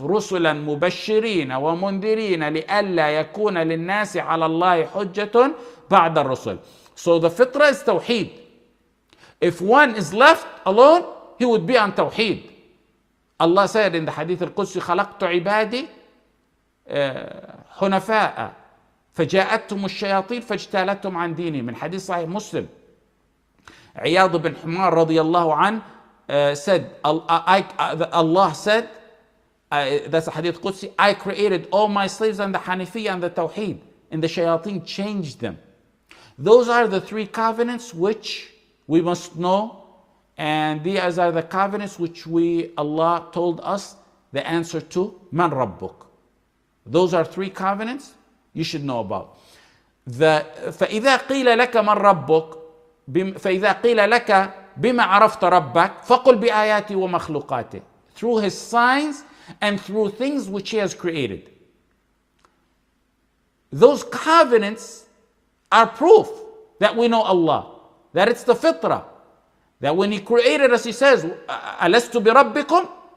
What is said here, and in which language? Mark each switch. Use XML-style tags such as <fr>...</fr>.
<ar>رسلا مبشرين ومنذرين لئلا يكون للناس على الله حجة بعد الرسل.</ar> <en>So the fitrah is tawheed. If one is left alone, he would be on tawheed. Allah said in the hadith al-Qudsi,</en> <ar>خلقت عبادي حنفاء فجاءتهم الشياطين فاجتالتهم عن ديني. من حديث صحيح مسلم.</ar> <en>عياض بن حمار رضي الله عنه said, Allah said, that's a hadith Qudsi, I created all my slaves and the Hanifiyya and the Tawheed, and the Shayateen changed them. Those are the three covenants which we must know, and these are the covenants which Allah told us the answer to, Man Rabbuk. Those are three covenants you should know about.</en> <ar>فإذا قيل لك من ربك فإذا قيل لك بما عرفت ربك فقل بآياتي ومخلوقاتي.</ar> <en>Through his signs and through things which he has created. Those covenants are proof that we know Allah. That it's the fitrah. That when he created us, he says,</en> <ar>أَلَسْتُ بِرَبِّكُمْ?</ar>